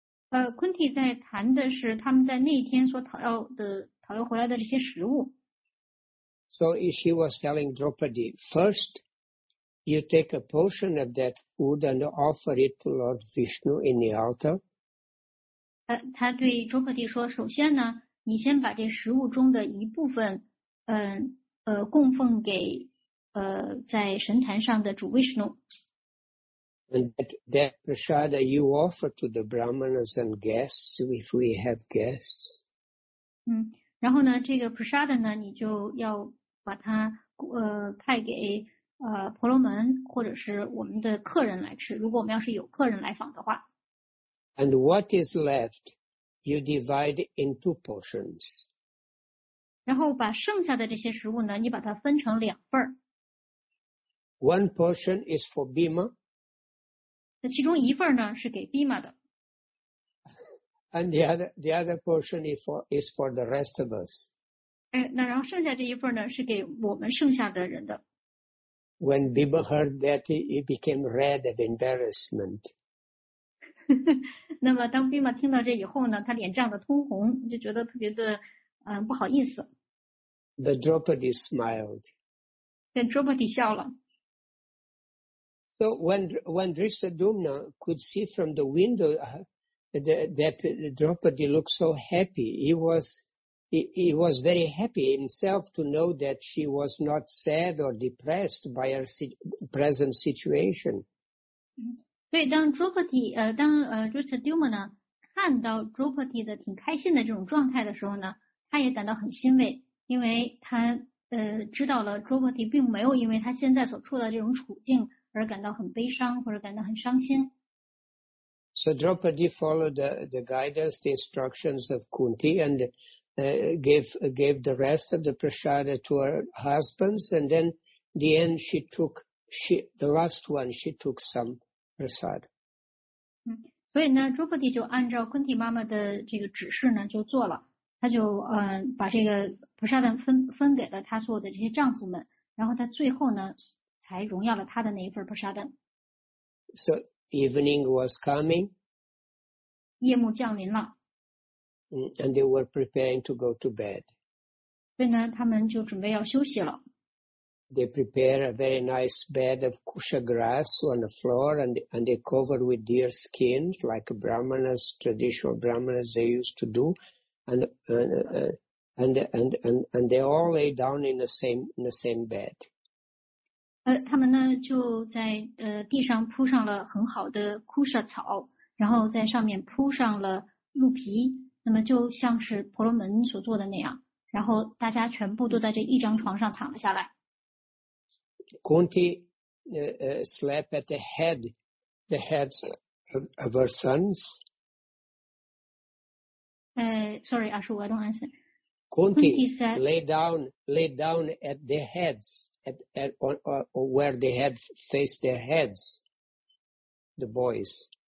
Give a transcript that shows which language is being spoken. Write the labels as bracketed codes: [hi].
[zh] Kunti 在谈的是他们在那天所讨要回来的这些食物。 [en] So she was telling Draupadi, first, you take a portion of that food and offer it to Lord Vishnu in the altar. [zh] 他对卓克蒂说，首先呢，你先把这食物中的一部分供奉给在神坛上的主维什努。 [en] And that prasada you offer to the brahmanas and guests if we have guests. [zh] 然后呢，这个 prasada 呢，你就要把它派给婆罗门或者是我们的客人来吃，如果我们要是有客人来访的话。 [en] And what is left, you divide in two portions. [zh] 然后把剩下的这些食物呢，你把它分成两份。 [en] One portion is for Bhima. [zh] 那其中一份呢是给 Bhima 的。 [en] And the other portion is for the rest of us. [zh] 那然后剩下这一份呢是给我们剩下的人的。 [en] When Bhima heard that, he became red of embarrassment. [zh] 那么当兵马听到这以后呢，他脸涨得通红，就觉得特别的不好意思。 [en] The Draupadi smiled. [zh] 但 Draupadi 笑了。 [en] So when Drishtadyumna could see from the window that Draupadi looked so happy, he was very happy himself to know that she was not sad or depressed by her present situation. [zh] 所以当 Draupadi 当Drishtadyumna 看到 Draupadi 的挺开心的这种状态的时候呢，他也感到很欣慰，因为他知道了 Draupadi 并没有因为他现在所处的这种处境而感到很悲伤或者感到很伤心。 [en] So Draupadi followed the guidance, the instructions of Kunti, and gave the rest of the prasada to her husbands, and then the end she took some. [zh] 所以呢，卓克蒂就按照昆蒂妈妈的这个指示呢，就做了。他就把这个菩萨丹分给了他所有的这些丈夫们，然后他最后呢，才荣耀了他的那一份菩萨丹。 [en] So evening was coming. [zh] 夜幕降临了。 [en] And they were preparing to go to bed. [zh] 所以呢，他们就准备要休息了。 [en] they prepare a very nice bed of kusha grass on the floor, and they cover with deer skin, like Brahmanas, traditional Brahmanas, they used to do. And they all lay down in the same bed. [zh] 他们呢就在地上铺上了很好的枯舍草，然后在上面铺上了鹿皮，那么就像是婆罗门所做的那样，然后大家全部都在这一张床上躺了下来。 [en] Kunti slept at the heads of her sons. Sorry, Ashu, I don't answer. Kunti lay down at their heads, or where they had faced their heads, the boys.